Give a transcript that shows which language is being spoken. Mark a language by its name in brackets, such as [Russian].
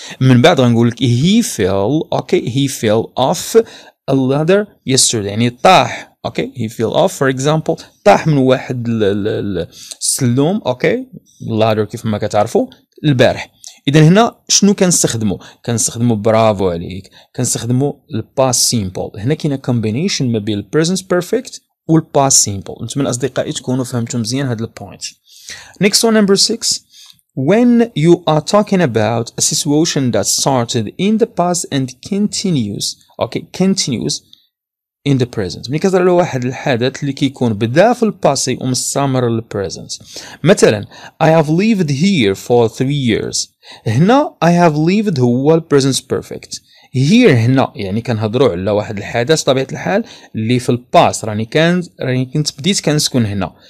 [Arabic] من بعد غنقول لك [English] he fell okay he fell off اللادر yesterday [Arabic] يعني طاح [English] okay he fell off for example [Arabic] طاح من واحد السلوم اوكي اللادر كيف ما كتعرفوا البارح. اذا هنا شنو كنستخدموا؟ كنستخدموا برافو عليك، كنستخدموا الباس سيمبل. هنا كاينه كومبينيشن ما بين البريزنت بيرفكت والباس سيمبل. نتمنى اصدقائي تكونوا فهمتوا مزيان هذا البوينت. [English] Next one number 6، when you are talking about a situation that started in the past and continues okay continues in the present. [Arabic] ملي كتهضر على واحد الحدث اللي كيكون بدا في الباسي ومستمر للبريزنت. مثلا [English] I have lived here for 3 years. [Arabic] هنا [English] I have lived [Arabic] هو البريزنت بيرفكت. هير هنا يعني كنهضروا على واحد الحدث طبيعة الحال اللي في الباس، راني كنت بديت كنسكن هنا.